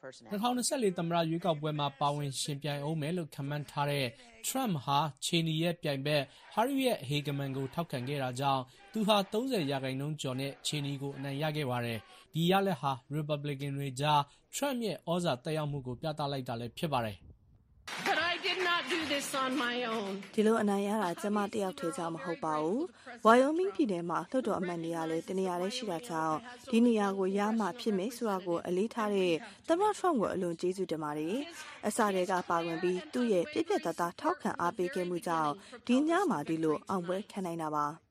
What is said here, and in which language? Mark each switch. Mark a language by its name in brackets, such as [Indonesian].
[Burmese] ။2024သမ္မတရွေးကောက်ပွဲမှာပါဝင်ရှင်ပြိုင်အောင်မယ်လို့ comment ထားတဲ့ Trump ဟာ Cheney ရဲ့ပြိုင်ဘက် Harry ရဲ့ hegemon ကိုထောက်ခံခဲ့တာကြောင့်သူဟာ30ရာခိုင်နှုန်းကျော်နဲ့ Cheney ကိုအနိုင်ရခဲ့ပါတယ်။ဒီရလဟာ Republican တွေကြား Trump ရဲ့ဩဇာတက်ရောက်မှုကိုပြသလိုက်တာလည်းဖြစ်ပါတယ် [English] But I did not do this on my own [Burmese] ဒီလိုအနိုင်ရတာကျွန်မတယောက်ထဲကြောင့်မဟုတ်ပါဘူး Wyoming ပြည်နယ်မှာသို့တော်အမတ်နေရာလဲတနေရာလဲရှိတာကြောင့်ဒီနေရာကိုရမှဖြစ်မယ်ဆိုတာကိုအလေးထားတဲ့ Donald Trump ကိုအလွန်ကျေးဇူးတင်ပါတယ်အစတည်းကပါဝင်ပြီးသူ့ရဲ့ပြည့်ပြည့်တသားထောက်ခံအားပေးခဲ့မှုကြောင့်ဒီညမှာဒီလိုအောင်ပွဲခံနိုင်တာပါ